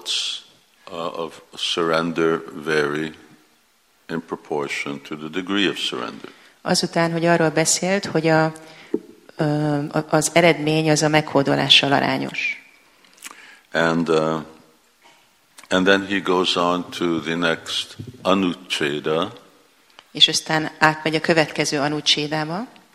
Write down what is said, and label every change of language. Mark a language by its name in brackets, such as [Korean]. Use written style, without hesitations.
[English] After of surrender vary in proportion to the degree of surrender. [Hungarian] Azután, hogy arról beszélt, hogy az eredmény az a meghódolással arányos. [English] And then he goes on to the next anucheda. [Hungarian] És aztán átmegy a következő anucsédába.